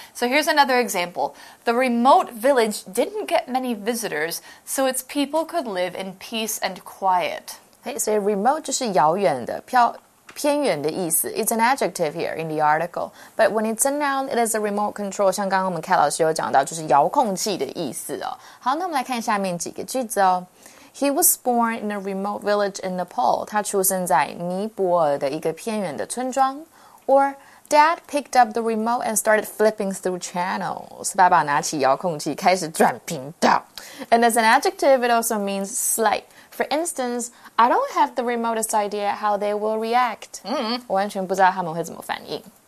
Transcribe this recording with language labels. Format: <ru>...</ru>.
<en>So here's another example. The remote village didn't get many visitors, so its people could live in peace and quiet. Hey, so remote</en> <zh>就是遥远的偏远的意思</zh> <en>It's an adjective here in the article. But when it's a noun, it is a remote control.</en> <zh>像刚刚我们 Kat 老师有讲到就是遥控器的意思哦。好，那我们来看下面几个句子哦。</zh> <en>He was born in a remote village in Nepal.</en> <zh>他出生在尼泊尔的一个偏远的村庄。</zh> <en>Or, Dad picked up the remote and started flipping through channels.</en> <zh>爸爸拿起遥控器开始转频道。</zh> <en>And as an adjective, it also means slight. For instance, I don't have the remotest idea how they will react.</en> <zh>完全不知道他们会怎么反应。</zh>